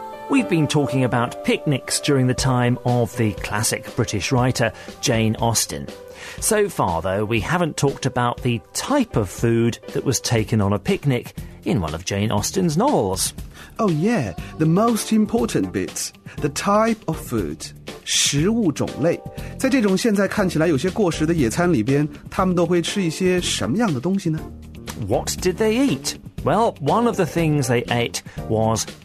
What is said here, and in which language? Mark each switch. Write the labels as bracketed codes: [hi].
[en] We've been talking about picnics during the time of the classic British writer Jane Austen. So far, though, we haven't talked about the type of food that was taken on a picnic in one of Jane Austen's novels. Oh, yeah, the most important bit, the type of food. [zh] 食物种类。在这种现在看起来有些过时的野餐里边，他们都会吃一些什么样的东西呢？ [en] What did they eat? Well, one of the things they ate was...